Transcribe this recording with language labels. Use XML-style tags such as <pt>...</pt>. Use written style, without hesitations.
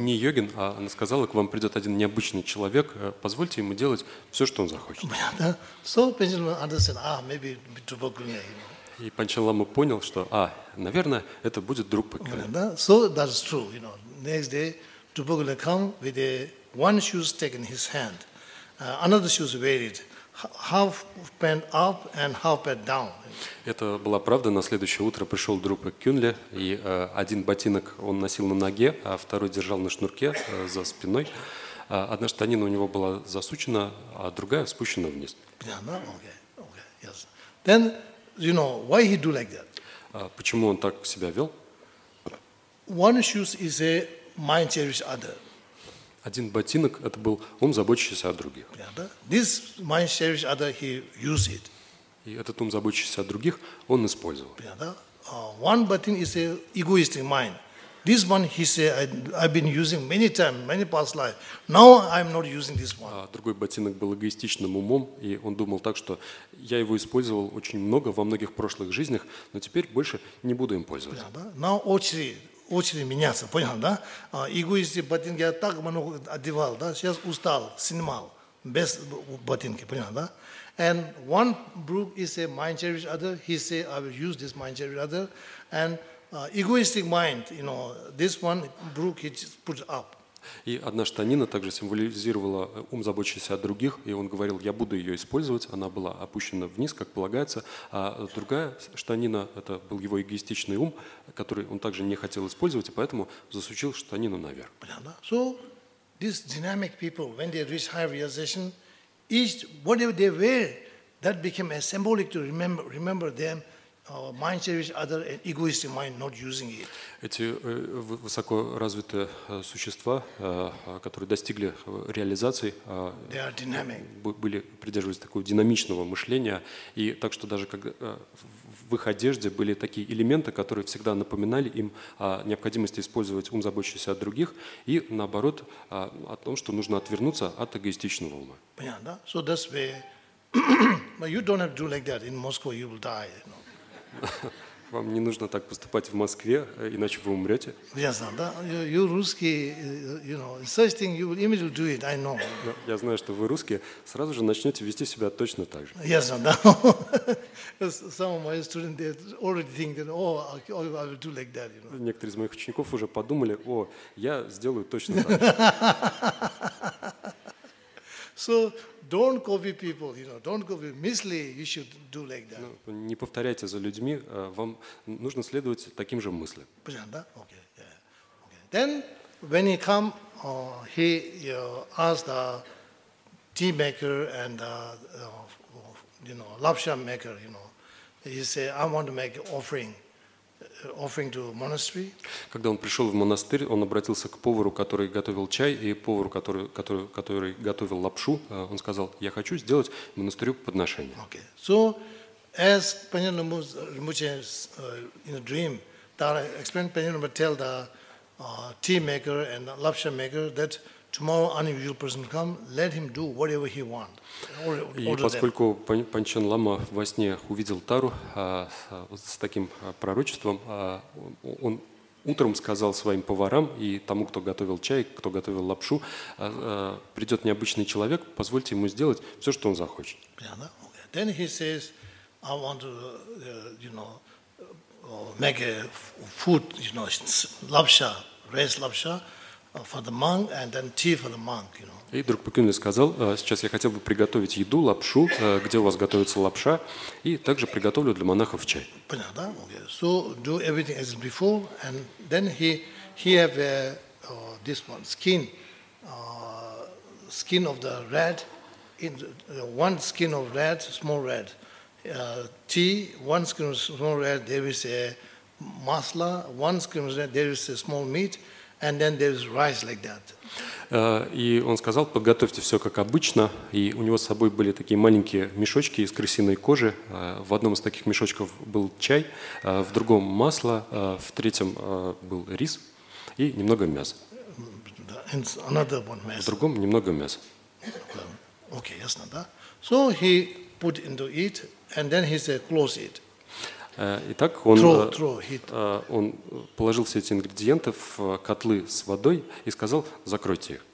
<ru>Не йогин, а она сказала, к вам придет один необычный человек, позвольте ему делать все, что он захочет.</ru> <en>So Панчену understand, maybe Трупакулне.</en> <ru>И Панчен Лама понял, что, наверное, это будет Друкпа-Кюнле.</ru> <en>So that's true, you know. Next day, Drupakulne come with one shoes taken in his hand, another shoes wearied, half pant up and half pant down.</en> <ru>Это была правда. На следующее утро пришел Друкпа-Кюнле, и один ботинок он носил на ноге, а второй держал на шнурке за спиной. Одна штанина у него была засучена, а другая спущена вниз.</ru> <en>Okay, yes. Then, you know why he do like that?</en> <ru>Почему он так себя вел?</ru> <en>One shoes is a mind cherish other.</en> <ru>Один ботинок это был ум, заботящийся о других.</ru> <en>This mind cherish other he use it.</en> <ru>И этот ум, заботящийся о других, он использовал.</ru> <en>One</en> <ru>ботинок</ru> <en>is a egoistic mind. This one he say I've been using many times, many past life. Now I'm not using this one.</en> <ru>Другой ботинок был эгоистичным умом, и он думал так, что я его использовал очень много во многих прошлых жизнях, но теперь больше не буду им пользоваться. Понятно, да?</ru> <en>Now</en> <ru>очередь меняться, понял, да? Эгоистичный ботинок я так много одевал, да? Сейчас устал, снимал без ботинки, понял, да?</ru> <en>And one brook is a mind cherish other. He say I will use this mind cherish other, and egoistic mind, you know, this one Brook he just put up.</en> <ru>И одна штанина также символизировала ум, заботящийся о других, и он говорил, я буду ее использовать. Она была опущена вниз, как полагается. А другая штанина это был его эгоистичный ум, который он также не хотел использовать, и поэтому засучил штанину наверх.</ru> <en>So these dynamic people, when they reach higher realization, each whatever they wear, that became a symbolic to remember them. Mind cherish other egoistic mind not using it.</en> <ru>Эти высоко развитые существа, которые достигли реализации,</ru> <en>they are dynamic.</en> <ru>Были придерживались такого динамичного мышления, и так что даже как в их одежде были такие элементы, которые всегда напоминали им о необходимости использовать ум, заботящийся о других, и наоборот о том, что нужно отвернуться от эгоистичного ума. Понятно, да?</ru> <en>So that's where, but you don't have to do like that in Moscow. You will die. You know?</en> <ru>Вам не нужно так поступать в Москве, иначе вы умрете. Я знаю, да?</ru> <en>You</en> <ru>русские,</ru> <en>you know, such thing you will immediately do it, I know.</en> <ru>Я знаю, что вы русские, сразу же начнете вести себя точно так же. Я знаю, да?</ru> <en>Some of my students already think that, oh, I will do like that, you know.</en> <ru>Некоторые из моих учеников уже подумали, о, я сделаю точно так же.</ru> <en>So, don't copy people, you know. Don't copy.</en> <ru>Мысли,</ru> <en>you should do like that.</en> <ru>Не повторяйте за людьми. Вам нужно следовать таким же мыслям. Понятно, да?</ru> <en>Okay, yeah. Okay. Then, when he come, he asked the tea maker and the you know, lapsang maker, you know, He said, I want to make offering. Offering to monastery.</en> <ru>Когда он пришел в монастырь, он обратился к повару, который готовил чай, и повару, который готовил лапшу, он сказал, я хочу сделать монастырю подношение.</ru> <en>Okay. So, as Panyan Rinpoche in a dream, Dara explained Panyan Rinpoche tell the tea maker and lapsha maker that tomorrow unusual person come, let him do whatever he want.</en> <ru>И поскольку Панчен Лама во сне увидел Тару с таким пророчеством, он утром сказал своим поварам и тому, кто готовил чай, кто готовил лапшу, придет необычный человек, позвольте ему сделать все, что он захочет.</ru> <en>Then he says, I want to, you know, make a food, you know,</en> <ru>лапша,</ru> <en>rice лапша. For the monk and then tea for the monk, you know.</en> <ru>И друг Пекюнли сказал, сейчас я хотел бы приготовить еду, лапшу, где у вас готовится лапша, и также приготовлю для монахов чай. Понятно, да?</ru> <en>Okay. So do everything as before, and then he have this one skin of the rat, in one skin of rat, small rat, tea, one skin of small rat, there is a masala, one skin of rat, there is a small meat. And then there's rice like that.</en> <ru>И он сказал, подготовьте все как обычно. И у него с собой были такие маленькие мешочки из крысиной кожи. В одном из таких мешочков был чай, в другом масло, в третьем был рис и немного мяса.</ru> <en>And another one mess.</en> <ru>В другом немного мяса.</ru> <en>Okay,</en> <ru>ясно, да?</ru> <en>So he put into it, and then he said, close it.</en> <ru>Итак, он положил все эти ингредиенты в котлы с водой и сказал, закройте их.</ru>